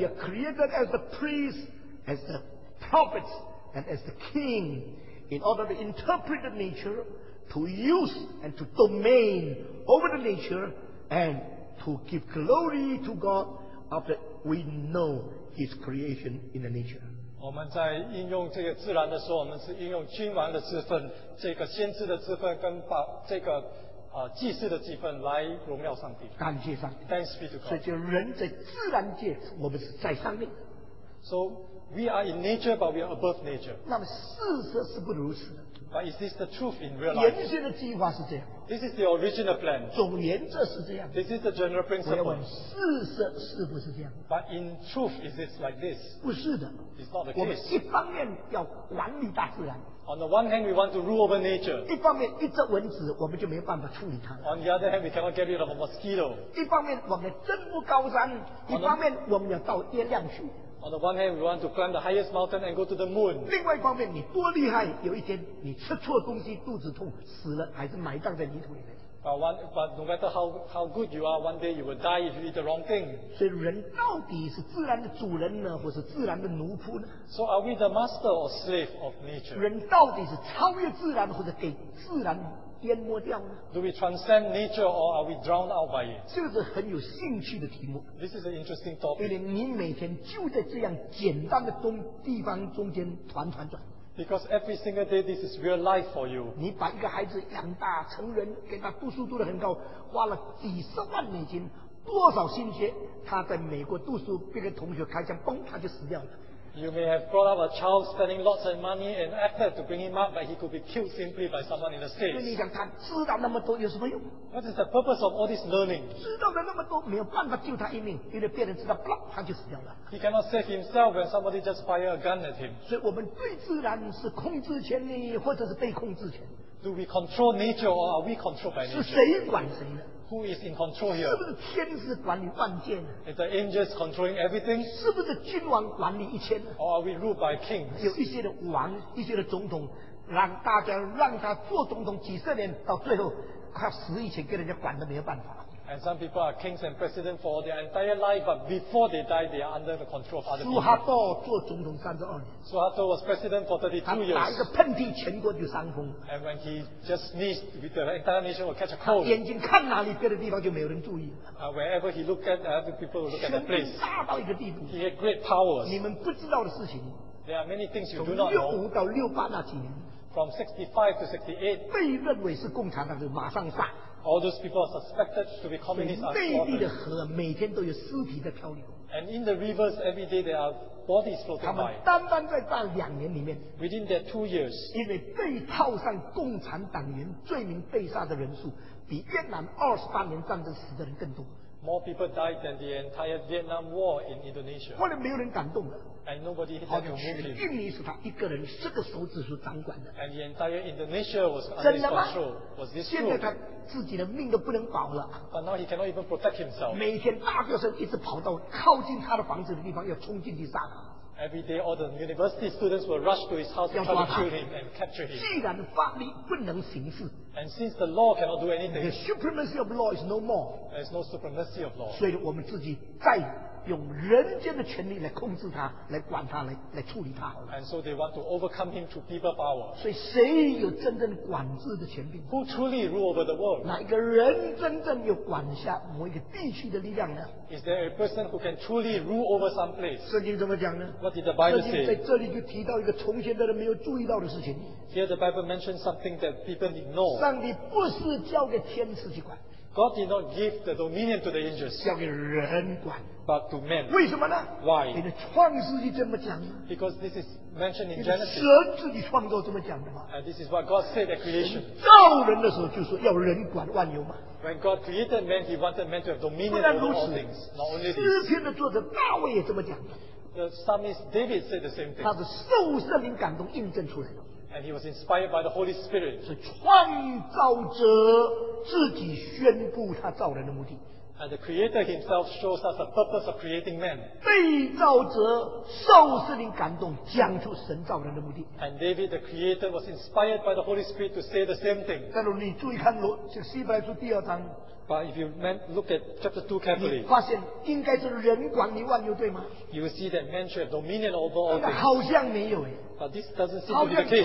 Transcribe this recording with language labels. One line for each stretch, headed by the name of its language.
English: We are created as the priest, as the prophet, and as the king, in order to interpret the nature, to use and to domain over the nature, and to give glory to God after we know His creation in the nature.
Chinese: 我们在应用这个自然的时候，我们是应用君王的职分，这个先知的职分跟这个、祭司的职分来荣耀上帝。感谢上帝。
English: Thanks be to God。
Chinese: 所以就人在自然界，我们是在上面。
English: So we are in nature, but we are above nature。
Chinese: 那么事实是不如此的。
English: But is this the truth in real life?
Chinese: 原先的计划是这样。
English: This is the original plan.
Chinese: 总原则是这样。
English: This is the general principle.
Chinese: 我要问事实是不是这样。
English: But in truth, is this like this?
Chinese: 不是的。
English: It's not the case.
Chinese: 我们一方面要管理大自然。
English: On the one hand, we want to rule over nature.
Chinese: 一方面一只蚊子我们就没有办法处理它。
English: On the other hand, we cannot get rid of a mosquito.
Chinese: 一方面我们登不高山，一方面我们要到月亮去。
English: On the one hand, we want to climb the highest mountain and go to the moon.
Chinese: 另外一方面，你多厉害，有一天你吃错东西，肚子痛，死了，还是埋葬在泥土里面。
English: But no matter how good you are, one day you will die if you eat the wrong thing.
Chinese: 所以人到底是自然的主人呢，或是自然的奴仆呢？
English: So are we the master or slave of nature?
Chinese: 人到底是超越自然，或者给自然淹没掉呢？
English: Do we transcend nature or are we drowned out by it?
Chinese: 这是很有兴趣的题目。
English: This is an interesting topic.
Chinese: 因为你每天就在这样简单的地方中间团团转。
English: Because every single day this is real life for you.
Chinese: 你把一个孩子养大成人，给他读书读得很高，花了几十万美金，多少心血，他在美国读书，别的同学开枪，嘣，他就死掉了。
English: You may have brought up a child spending lots of money and effort to bring him up, but he could be killed simply by someone in the States.
Chinese: 所以你想他知道那么多有什么用？
English: What is the purpose of all this learning?
Chinese: 知道了那么多没有办法救他一命，因为别人知道，砰，他就死掉了。
English: He cannot save himself when somebody just fire a gun at him.
Chinese: 所以我们对自然是控制权利，或者是被控制权。
English: Do we control nature or are we controlled by nature?
Chinese: 是谁管谁呢？
English: Who is in control here?
Chinese: 是不是天使管理万界呢？
English: Is the angels controlling everything?
Chinese: 是不是君王管理一切呢？
English: Or are we ruled by kings?
Chinese: 有一些的王，一些的总统，让大家让他做总统几十年，到最后他死以前跟人家管都没有办法。
English: And some people are kings and presidents for their entire life, but before they die, they are under the control of other people.
Chinese: 苏哈多做总统32年。
English: 苏哈多 was president for 32 years.
Chinese: 他打一个喷嚏，全国就伤风。
English: And when he just sneezed, the entire nation will catch a cold.
Chinese: 眼睛看哪里，别的地方就没有人注意。
English: Wherever he looked at, other people will look at the place.
Chinese: 大到一个地步。
English: He had great powers.
Chinese: 你们不知道的事情。
English: There are many things you do not know.
Chinese: 从65到68那几年。
English: From 65 to 68.
Chinese: 被认为是共产党就马上杀。
English: All those people are suspected to be communists.
Chinese: 所以内地的河每天都有尸体在漂流。
English: And in the rivers, every day there are bodies floating by.
Chinese: 他们单单在那两年里面
English: ，within their 2 years,
Chinese: 因为被套上共产党员罪名被杀的人数，比越南28年战争死的人更多。
English: More people died than the entire Vietnam War in Indonesia.
Chinese: 后来没有人敢动了。
English: And nobody had to move him.
Chinese: 印尼是他一个人四个手指头掌管的。
English: And the entire Indonesia was under his control. Was this true?
Chinese: 现在他自己的命都不能保了。
English: But now he cannot even protect himself.
Chinese: 每天大学生一直跑到靠近他的房子的地方，要冲进去杀他。
English: Every day, all the university students will rush to his house to try to kill him and capture him.
Chinese: 既然法律不能行事。
English: And since the law cannot do anything, the supremacy of law is no more. There's no supremacy of law.
Chinese: 所以我们自己再用人间的权力来控制他，来管他，来处理他。
English: And so they want to overcome him to people power.
Chinese: 所以谁有真正管制的权柄？
English: Who truly rule over the world?
Chinese: 哪一个人真正有管辖某一个地区的力量呢？
English: Is there a person who can truly rule over some place?
Chinese: 圣经怎么讲呢？
English: What did the Bible say?
Chinese: 圣经在这里就提到一个从前的人没有注意到的事情。
English: Here the Bible mentions something that people ignore.
Chinese: 上帝不是交给天使去管。
English: God did not give the dominion to the angels.
Chinese: 交给人管。
English: But to men.
Chinese: 为什么呢？
English: Why?
Chinese: 因为创世纪这么讲。
English: Because this is mentioned in Genesis.
Chinese: 神自己创造这么讲的嘛。
English: And this is what God said at creation.
Chinese: 造人的时候就说要人管万有嘛。
English: When God created man, He wanted man to have dominion over all things. Not only this.
Chinese: 诗篇的作者大卫也这么讲。
English: The psalmist David said the same thing.
Chinese: 他是受圣灵感动印证出来的。
English: And he was inspired by the Holy Spirit.
Chinese: 是创造者自己宣布他造人的目的。
English: And the Creator Himself shows us the purpose of creating man.
Chinese: 被造者, 受圣灵感动, 讲出神造人的目的。
English: And David, the Creator, was inspired by the Holy Spirit to say the same thing.
Chinese: 但是你注意看, 这希伯来书第二章,
English: but if you look at chapter 2 carefully,
Chinese: 你发现应该是人管理万有对吗?
English: You will see that man should have dominion over all things.
Chinese: 好像没有耶,
English: but this doesn't seem to be the case.